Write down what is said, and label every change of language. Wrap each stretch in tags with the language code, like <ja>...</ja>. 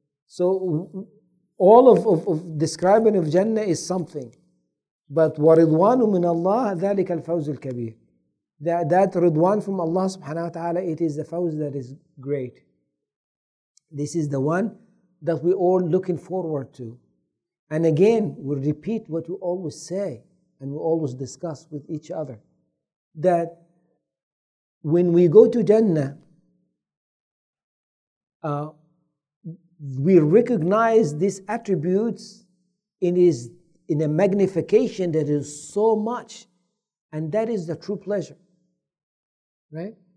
<en>So all of describing of Jannah is something. But</en> <ar>وَرِضْوَانُ مِنَ اللَّهِ ذَلِكَ الْفَوْزُ الْكَبِيرُ.</ar> <en>That ridwan from Allah subhanahu wa ta'ala, it is the fawz that is great. This is the one that we all looking forward to. And again, we repeat what we always say and we always discuss with each other. That when we go to Jannah, we recognize these attributes in a magnification that is so much, and that is the true pleasure, right?</en>